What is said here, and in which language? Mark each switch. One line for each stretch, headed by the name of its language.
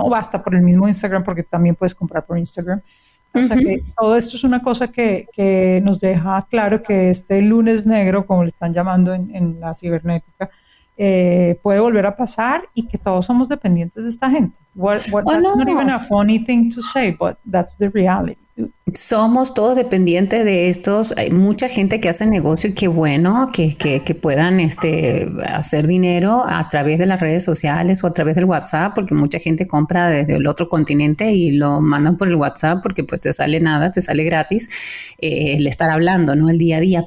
Spanish: O hasta por el mismo Instagram porque también puedes comprar por Instagram. O sea que todo esto es una cosa que nos deja claro que este lunes negro, como le están llamando en la cibernética, puede volver a pasar y que todos somos dependientes de esta gente.
English: That's not even a funny thing to say, but that's the reality.
Spanish: Somos todos dependientes de estos. Hay mucha gente que hace negocio y qué bueno que puedan hacer dinero a través de las redes sociales o a través del WhatsApp, porque mucha gente compra desde el otro continente y lo mandan por el WhatsApp porque pues te sale nada, te sale gratis el estar hablando, ¿no? El día a día.